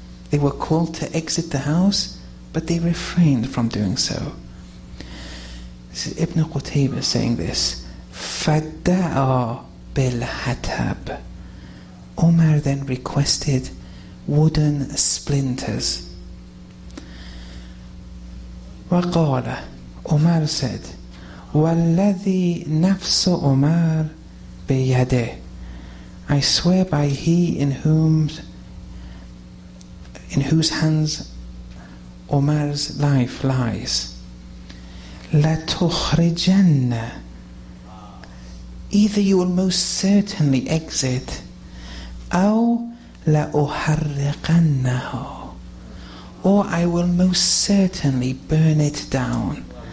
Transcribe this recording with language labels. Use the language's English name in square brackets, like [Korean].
[English] They were called to exit the house, but they refrained from doing so. This is Ibn Qutaybah saying this. [Arabic] فَدَّعَا بِالْحَتَبْ. [English] Umar then requested wooden splinters. [Arabic] وَقَالَ, [English] Umar said, [Arabic] وَالَّذِي نَفْسُ عُمَرْ بِيَدِهِ. [English] I swear by he in whose hands Umar's life lies. [Arabic] لَتُخْرِجَنَّ. [English] Either you will most certainly exit, [Arabic] أو لأحرقنه, [English] or I will most certainly burn it down.